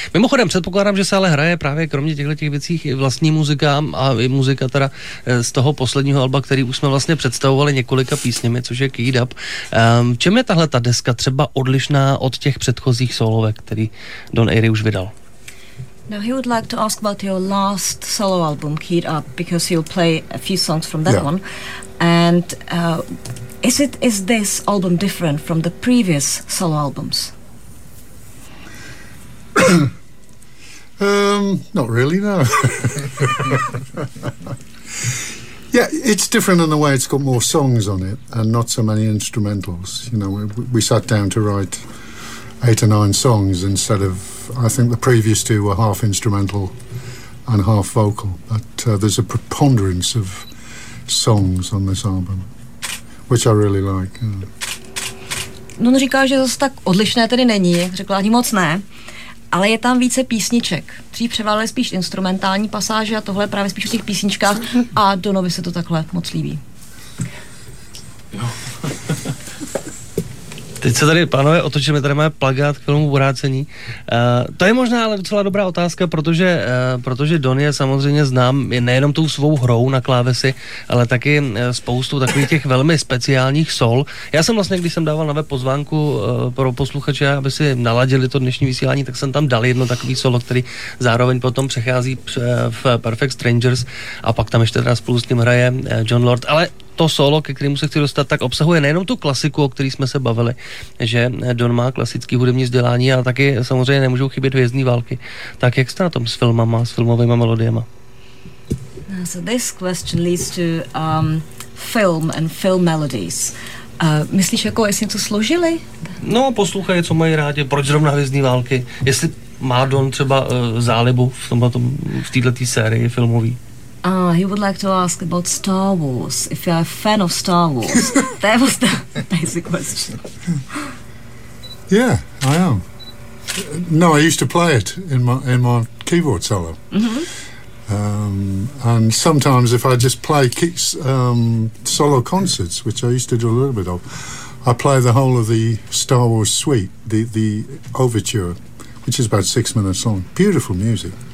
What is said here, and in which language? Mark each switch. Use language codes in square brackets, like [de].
[cs] Mimochodem předpokládám, že se ale hraje právě kromě těchto věcí i vlastní muzika a i muzika teda z toho posledního alba, který už jsme vlastně představovali několika písněmi, což je Keyed Up. Čem je tahle ta deska třeba odlišná od těch předchozích solovek, který Don Airey už vydal? [en] Now, he would like to ask about your last solo album, Keyed Up, because you'll play a few songs from that one. And is this album different from the previous solo albums? Not really, no. Yeah, it's different in the way it's got more songs on it and not so many instrumentals. You know, we sat down to write 8 or 9 songs instead of, I think the previous two were half instrumental and half vocal, but there's a preponderance of songs on this album, which I really like. [cs] No, on říká, že zase tak odlišné tedy není, řekla ani moc ne, ale je tam více písniček. Tří převálili spíš instrumentální pasáže a tohle právě spíš v těch písničkách a Donovi se to takhle moc líbí. Jo. Teď se tady, pánové, otočíme, tady máme plakát k filmu Vrácení. To je možná ale docela dobrá otázka, protože Don je samozřejmě znám nejenom tou svou hrou na klávesi, ale taky spoustu takových těch velmi speciálních sol. Já jsem vlastně, když jsem dával na web pozvánku pro posluchače, aby si naladili to dnešní vysílání, tak jsem tam dal jedno takový solo, který zároveň potom přechází v Perfect Strangers a pak tam ještě teda spolu s tím hraje John Lord. Ale to solo, ke kterému se chci dostat, tak obsahuje nejenom tu klasiku, o který jsme se bavili, že Don má klasický hudební vzdělání, ale taky samozřejmě nemůžou chybět Hvězdní války. Tak jak jste na tom s filmama, s filmovými melodiemi? [en] So this question leads to film and film melodies. [cs] Myslíš, jako jestli něco složili? No, poslouchají, co mají rádi, proč zrovna Hvězdní války, jestli má Don třeba zálibu v této sérii filmový. [en] He would like to ask about Star Wars, if you're a fan of Star Wars. That was the basic question. Yeah, I am. No, I used to play it in my keyboard solo. Mm-hmm. And sometimes if I just play solo concerts, which I used to do a little bit of, I play the whole of the Star Wars suite, the overture, which is about 6 minutes long. Beautiful music.